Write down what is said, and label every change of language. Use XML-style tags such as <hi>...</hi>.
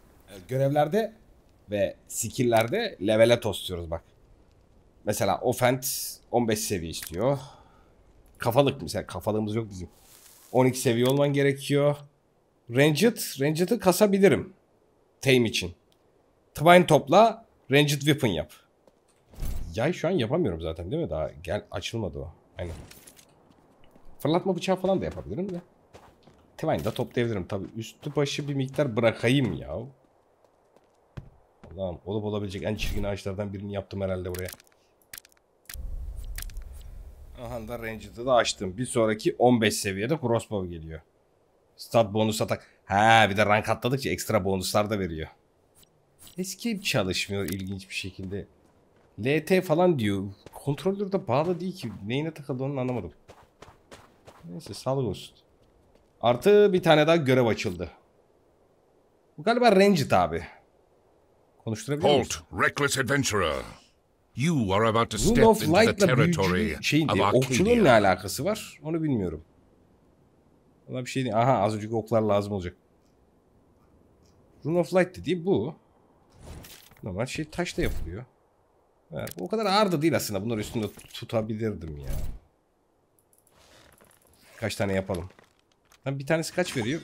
<tr>Evet, görevlerde ve skill'lerde levele tosluyoruz bak. Mesela offense 15 seviye istiyor. Kafalık mesela, kafalığımız yok bizim. 12 seviye olman gerekiyor. Ranged'ı kasabilirim. Tame için. Twine topla, ranged weapon yap. Yay şu an yapamıyorum zaten değil mi? Daha gel açılmadı o. Aynen. Fırlatma bıçağı falan da yapabilirim de. Twine da toplayabilirim tabi. Üstü başı bir miktar bırakayım ya. Allah'ım, olup olabilecek en çirkin ağaçlardan birini yaptım herhalde buraya. Aha da ranged'ı da açtım. Bir sonraki 15 seviyede crossbow geliyor. Stat bonus atak. He, bir de rank atladıkça ekstra bonuslar da veriyor. Escape çalışmıyor ilginç bir şekilde. LT falan diyor. Kontrolör de bağlı değil ki. Neyine takıldı onu anlamadım. Neyse sağlık olsun. Artı bir tane daha görev açıldı. Bu galiba ranged abi. Konuşturabiliyor musun?</tr> <en>Halt, reckless adventurer. You are about to step into the territory of Arcadia.</en> <tr>Okçunun ne alakası var? Onu bilmiyorum. Ona bir şey değil. Aha, az önceki oklar lazım olacak. Rune of Light dediği bu. Normal şey taşta yapılıyor. Evet, bu o kadar ağır da değil aslında. Bunları üstünde tutabilirdim ya. Kaç tane yapalım? Lan bir tanesi kaç veriyor?</tr>